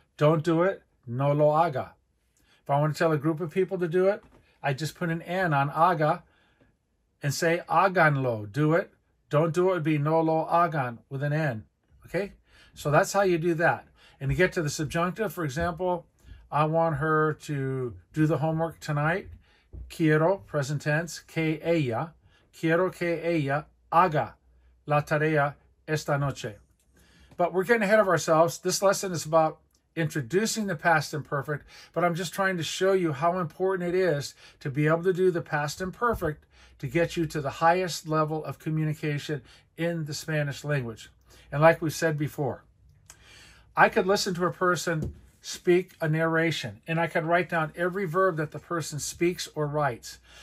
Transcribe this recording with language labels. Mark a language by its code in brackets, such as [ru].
[en] Don't do it, [es] no lo haga. [en] If I want to tell a group of people to do it, I just put an N on haga. And say, háganlo, do it. Don't do it would be [es] no lo hagan, [en] with an N, okay? So that's how you do that. And to get to the subjunctive, for example, I want her to do the homework tonight. [es] Quiero, present tense, que ella. Quiero que ella haga la tarea esta noche. [en] But we're getting ahead of ourselves. This lesson is about introducing the past imperfect, but I'm just trying to show you how important it is to be able to do the past imperfect to get you to the highest level of communication in the Spanish language. And like we've said before, I could listen to a person speak a narration, and I could write down every verb that the person speaks or writes.